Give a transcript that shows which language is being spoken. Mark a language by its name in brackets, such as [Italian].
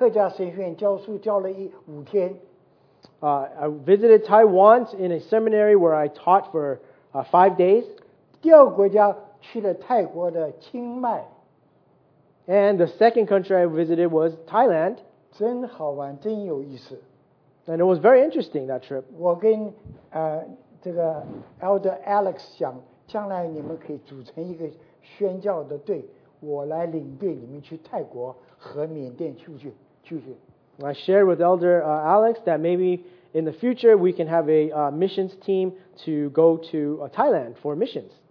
[Chinese] 第一个国家,台湾,我去客家神学院教书教了五天。 [English] I visited Taiwan in a seminary where I taught for 5 days. [Chinese] 第二个国家去了泰国的清迈。 [English] And the second country I visited was Thailand. [Chinese] 真好玩,真有意思。 [English] And it was very interesting, that trip. [Chinese] 我跟 这个 Elder Alex 讲,将来你们可以组成一个宣教的队,我来领队你们去泰国和缅甸去不去。 [English] I shared with Elder Alex that maybe in the future, we can have a missions team to go to Thailand for missions.